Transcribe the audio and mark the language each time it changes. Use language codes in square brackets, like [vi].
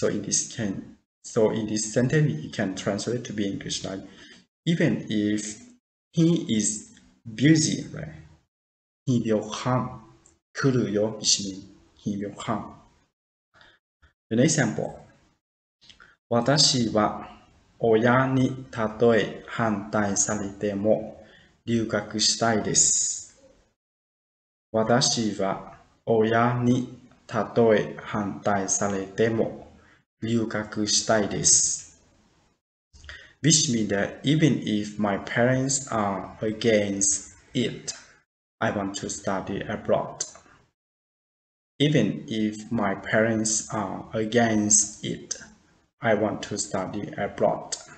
[en] So in this sentence, you can translate to be English like even if he is busy, right? He will come [ja] kuru yo, [en] which means he will come. The next example. [ja] 私は親にたとえ反対されても留学したいです。私は親にたとえ反対されても留学したいです。 [en] Which means that even if my parents are against it, I want to study abroad. Even if my parents are against it, I want to study abroad.